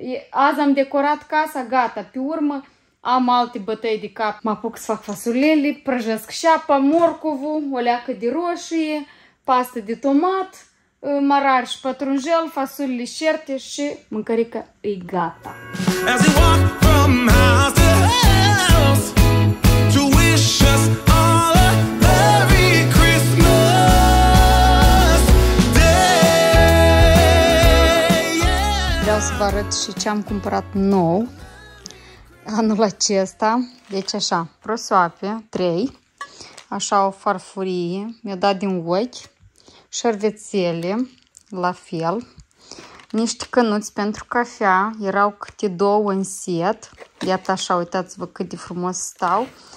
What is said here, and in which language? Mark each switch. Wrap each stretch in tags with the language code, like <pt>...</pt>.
<ro>Azi am decorat casa, gata, pe urmă am alte bătăi de cap. Mă apuc să fac fasulele, prăjesc șapa, morcovul, o leacă de roșie, pastă de tomat, marar și pătrunjel, fasulele șerte și mâncărica e gata.</ro> <en>As we walk from house to house, to wish us all a merry Christmas.</en> <ro>Vreau să vă arăt și ce am cumpărat nou anul acesta. Deci așa, prosoape, 3, așa o farfurie, mi-a dat din ochi, șervețele, la fel, niște cănuți pentru cafea, erau câte două în set, iată așa, uitați-vă cât de frumos stau.</ro>